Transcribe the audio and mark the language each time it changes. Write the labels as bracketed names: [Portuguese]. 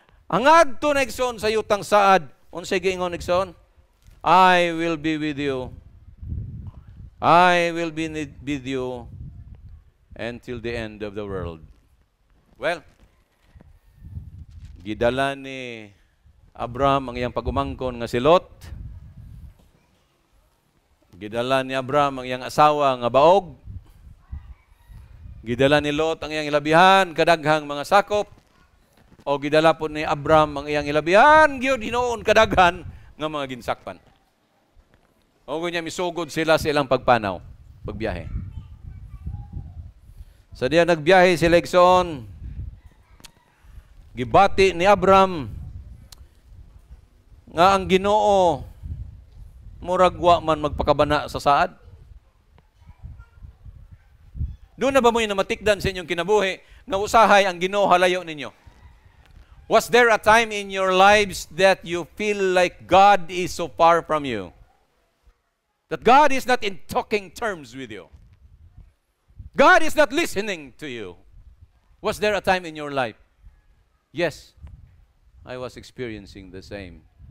[Cebuano] Ang ngadto na igsoon sa yutang saad, unsay giingon igsoon, [English] I will be with you. I will be with you until the end of the world. [Cebuano] Well, gidala ni Abraham ang iyang pagumangkon nga si Lot. Gidala ni Abraham ang iyang asawa nga Baog. Gidala ni Lot ang iyang ilabihan, kadaghang mga sakop. O gidala po ni Abraham ang iyang ilabihan, gyud hinoon kadaghan nga mga ginsakpan. O kanya misugod sila sa ilang pagpanaw, pagbiyahe. Sa diyan nagbiyahe sila igsoon, gibati ni Abraham nga ang Ginoo muragwa man magpakabana sa saad. Doon na ba mo yung namatikdan sa inyong kinabuhi na usahay ang Ginoo halayo ninyo? [English] Was there a time in your lives that you feel like God is so far from you? That God is not in talking terms with you? God is not listening to you? Was there a time in your life? Yes, I was experiencing the same.